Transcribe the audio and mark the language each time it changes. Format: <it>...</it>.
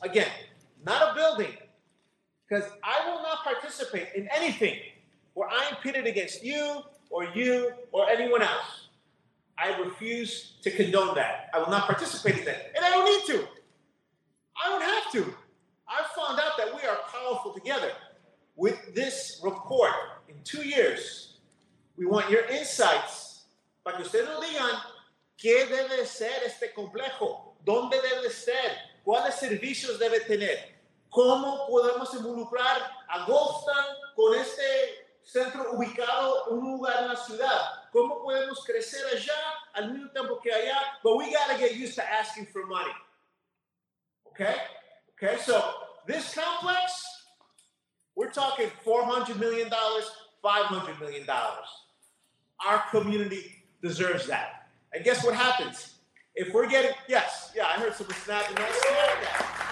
<en>Again, not a building, because I will not participate in anything where I am pitted against you or anyone else. I refuse to condone that. I will not participate in that. And I don't need to. I don't have to. I found out that we are powerful together. With this report, in 2 years, we want your insights.</en> <es>Para que ustedes nos digan, ¿qué debe ser este complejo? ¿Dónde debe ser? ¿Cuáles servicios debe tener? ¿Cómo podemos involucrar a Goldstein con este centro ubicado en un lugar en la ciudad? ¿Cómo podemos crecer allá al mismo tiempo que allá?</es> <en>But we got to get used to asking for money. Okay? Okay, so this complex, we're talking $400 million, $500 million. Our community deserves that. And guess what happens? If we're getting, yes, yeah, I heard someone snapping. Let's snap that.</en>